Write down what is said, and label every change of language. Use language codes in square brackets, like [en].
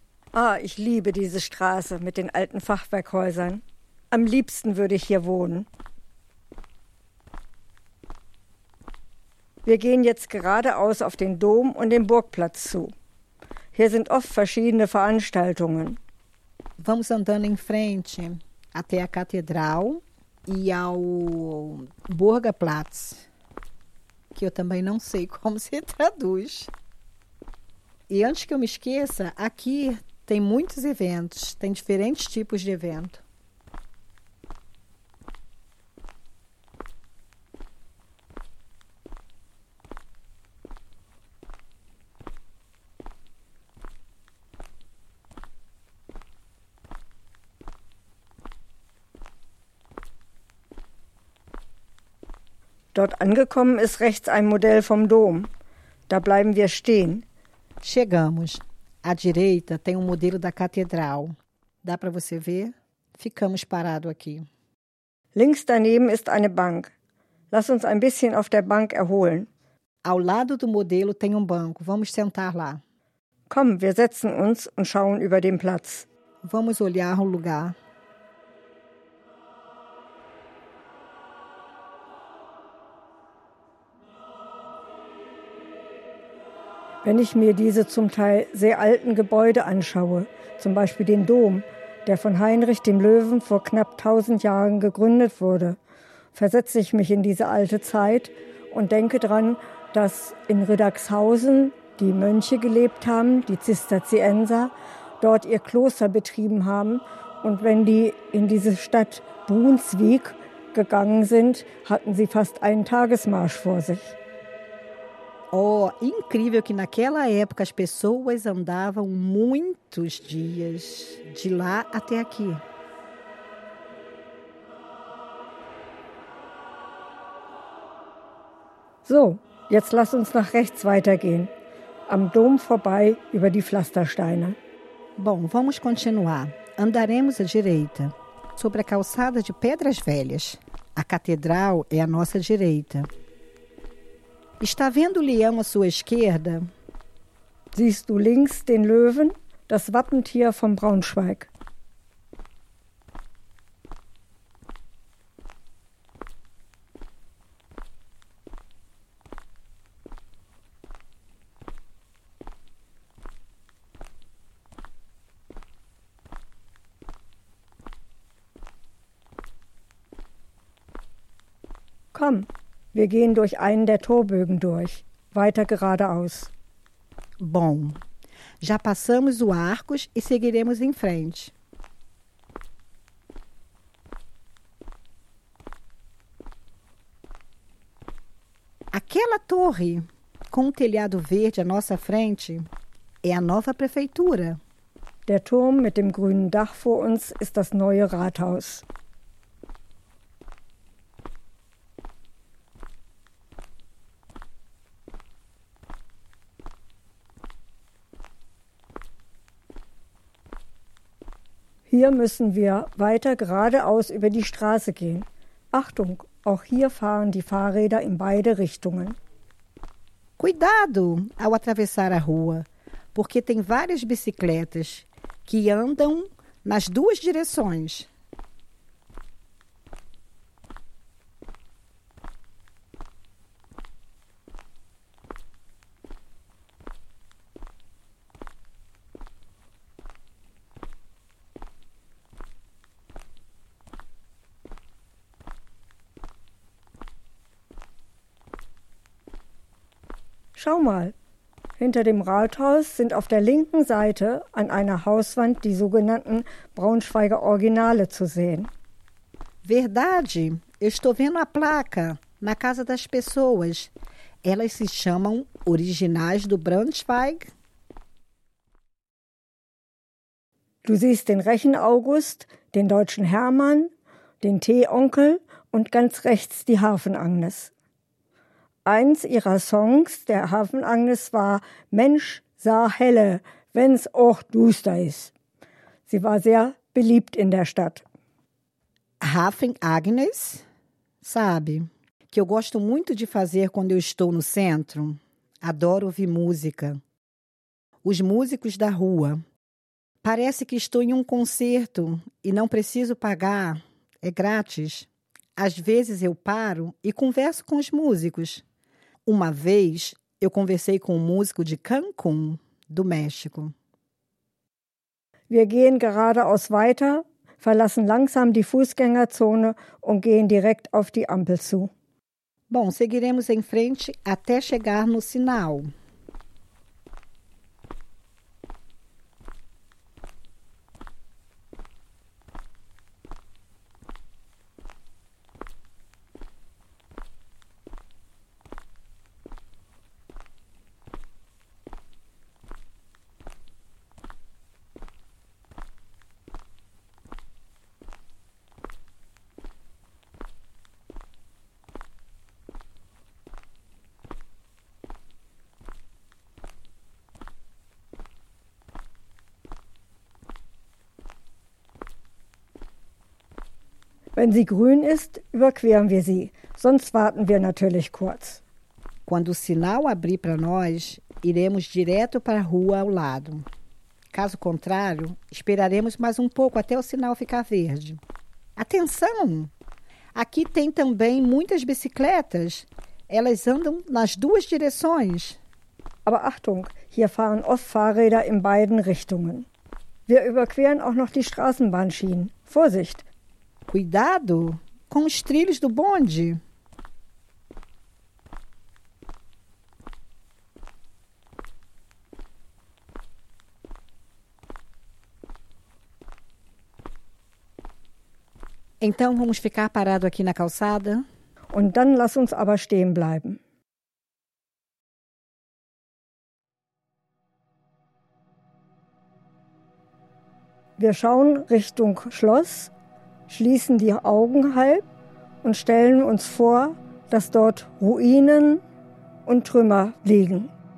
[de] Ah, ich liebe diese Straße mit den alten Fachwerkhäusern. Am liebsten würde ich hier wohnen. Wir gehen jetzt geradeaus auf den Dom und den Burgplatz zu. Hier sind oft verschiedene Veranstaltungen. [pt] Vamos andando em frente até a catedral e ao Burgplatz, que eu também não sei como se traduz. E antes que eu me esqueça, aqui tem muitos eventos, tem diferentes tipos de evento. [de] Dort angekommen ist rechts ein Modell vom Dom. Da bleiben wir stehen. [pt] Chegamos. À direita tem um modelo da catedral. Dá para você ver? Ficamos parado aqui. [de] Links daneben ist eine Bank. Lass uns ein bisschen auf der Bank erholen. [pt] Ao lado do modelo tem um banco. Vamos sentar lá. [de] Komm, wir setzen uns und schauen über den Platz. [pt] Vamos olhar o lugar. [de] Wenn ich mir diese zum Teil sehr alten Gebäude anschaue, zum Beispiel den Dom, der von Heinrich dem Löwen vor knapp 1000 Jahren gegründet wurde, versetze ich mich in diese alte Zeit und denke daran, dass in Riddagshausen die Mönche gelebt haben, die Zisterzienser, dort ihr Kloster betrieben haben. Und wenn die in diese Stadt Brunswick gegangen sind, hatten sie fast einen Tagesmarsch vor sich. [pt] Oh, incrível que naquela época as pessoas andavam muitos dias de lá até aqui. [de] So, jetzt lass uns nach rechts weitergehen. Am Dom vorbei über die Pflastersteine. [pt] Bom, vamos continuar. Andaremos à direita, sobre a calçada de pedras velhas. A catedral é à nossa direita. Está vendo o leão à sua esquerda? [de] Siehst du links den Löwen, das Wappentier von Braunschweig? Komm! Wir gehen durch einen der Torbögen durch, weiter geradeaus. [pt] Bom, já passamos o arcos e seguiremos em frente. Aquela torre com o telhado verde à nossa frente é a nova prefeitura. [de] Der Turm mit dem grünen Dach vor uns ist das neue Rathaus. Hier müssen wir weiter geradeaus über die Straße gehen. Achtung, auch hier fahren die Fahrräder in beide Richtungen. [pt] Cuidado ao atravessar a rua, porque tem várias bicicletas que andam nas duas direções. [de] Schau mal, hinter dem Rathaus sind auf der linken Seite an einer Hauswand die sogenannten Braunschweiger Originale zu sehen. [pt] Verdade, estou vendo a placa na casa das pessoas. Elas se chamam Originais do Braunschweig. [de] Du siehst den Rechen August, den deutschen Hermann, den Teeonkel und ganz rechts die Harfen Agnes. Eins ihrer Songs, der Hafen-Agnes, war »Mensch sah helle, wenn's auch duster ist«. Sie war sehr beliebt in der Stadt. [pt] Hafen-Agnes, sabe, que eu gosto muito de fazer quando eu estou no centro. Adoro ouvir música. Os músicos da rua. Parece que estou em um concerto e não preciso pagar. É grátis. Às vezes eu paro e converso com os músicos. Uma vez, eu conversei com um músico de Cancún, do México. [de] Wir gehen geradeaus weiter, verlassen langsam die Fußgängerzone und gehen direkt auf die Ampel zu. [pt] Bom, seguiremos em frente até chegar no sinal. [de] Wenn sie grün ist, überqueren wir sie. Sonst warten wir natürlich kurz. [pt] Quando o sinal abrir para nós, iremos direto para a rua ao lado. Caso contrário, esperaremos mais pouco até o sinal ficar verde. Atenção! Aqui tem também muitas bicicletas. Elas andam nas duas direções. [de] Aber Achtung, hier fahren oft Fahrräder in beiden Richtungen. Wir überqueren auch noch die Straßenbahnschienen. Vorsicht! [pt] Cuidado com os trilhos do bonde. Então vamos ficar parado aqui na calçada? [de] Und dann lass uns aber stehen bleiben. Wir schauen Richtung Schloss. Schließen die Augen halb und stellen uns vor, dass dort Ruinen und Trümmer liegen.